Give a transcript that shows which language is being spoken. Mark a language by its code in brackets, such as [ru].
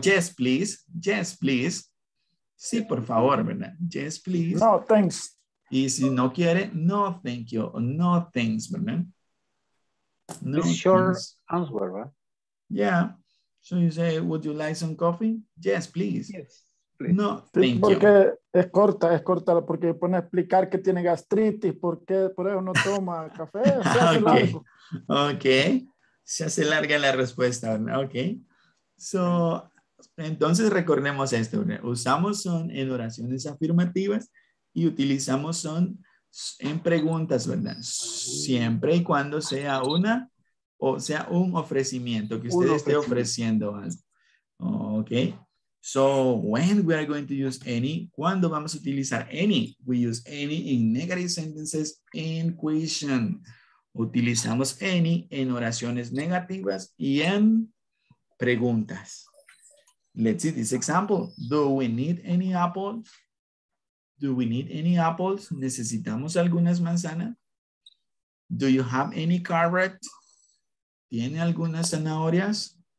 [en] Yes, please. Yes, please. [es] Sí, por favor, ¿verdad? [en] Yes, please. No, thanks. [es] Y si no quiere, no, [en] thank you. No, thanks, [es] ¿verdad? [en] No, it's your answer, right? Yeah. So you say, would you like some coffee? Yes, please. Yes, please. No, thank you. [es] Porque es corta, porque pone a explicar que tiene gastritis, porque por eso no toma café. Okay. Se hace larga la respuesta, ¿verdad? Okay. So, entonces recordemos esto, ¿verdad? Usamos son en oraciones afirmativas y utilizamos son en preguntas, ¿verdad? Siempre y cuando sea una o sea un ofrecimiento, que usted esté ofreciendo algo. [en] Okay. So, when we are going to use any, [es] ¿cuándo vamos a utilizar any? [en] We use any in negative sentences and question. [es] Utilizamos any en oraciones negativas y en preguntas. [en] Let's see this example. Do we need any apples? [es] ¿Necesitamos algunas manzanas? [en] Do you have any carrot? [es] ¿Tiene algunas zanahorias?